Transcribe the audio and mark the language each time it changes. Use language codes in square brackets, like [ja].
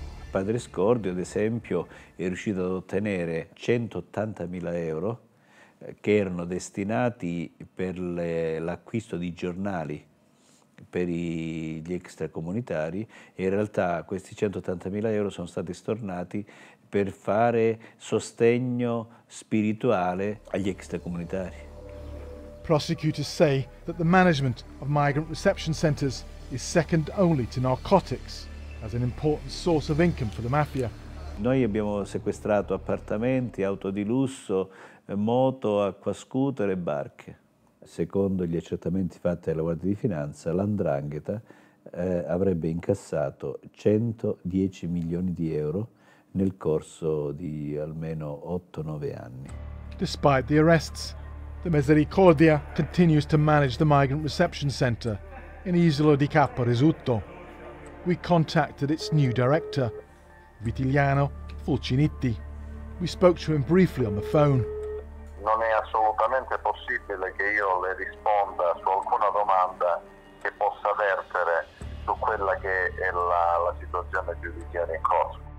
[it] Padre Scordio, ad esempio, è riuscito ad ottenere 180.000 euro che erano destinati per l'acquisto di giornali per gli extracomunitari e in realtà questi 180.000 euro sono stati stornati per fare sostegno spirituale agli extracomunitari. [en] Prosecutors say that the management of migrant reception centers is second only to narcotics as an important source of income for the mafia. [it] Noi abbiamo sequestrato appartamenti, auto di lusso, moto, acqua scooter e barche. Secondo gli accertamenti fatti dalla Guardia di Finanza, la 'Ndrangheta avrebbe incassato 110 milioni di euro nel corso di almeno 8-9 anni. [en] Despite the arrests, the Misericordia continues to manage the migrant reception center in Isola di Capo Risuto. We contacted its new director, Vitiliano Fulcinitti. We spoke to him briefly on the phone. [it] Non è assolutamente possibile che io le risponda su alcuna domanda che possa vertere su quella che è la situazione giudiziaria in corso.